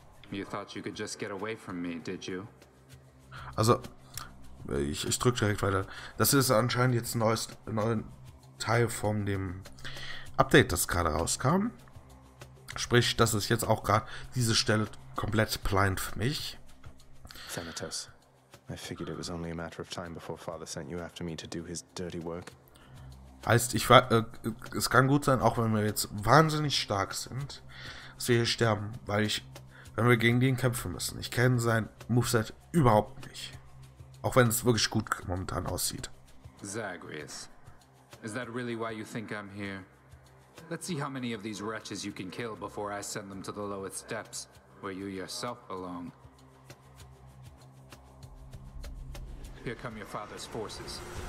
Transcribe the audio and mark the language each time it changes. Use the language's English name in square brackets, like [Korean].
[English] You thought you could just get away from me, did you? [German] Also, ich drück direkt weiter. Das ist anscheinend jetzt ein neuer Teil von dem Update, das gerade rauskam. Sprich, das ist jetzt auch gerade diese Stelle komplett blind für mich. [English] Thanatos, I figured it was only a matter of time before Father sent you after me to do his dirty work. [German] Heißt, es kann gut sein, auch wenn wir jetzt wahnsinnig stark sind, dass wir hier sterben, wenn wir gegen den kämpfen müssen. Ich kenne sein Moveset überhaupt nicht. Auch wenn es wirklich gut momentan aussieht. [English] Zagreus, is that really why you think I'm here? Let's see how many of these wretches you can kill before I send them to the lowest depths, where you yourself belong. Here come your father's forces.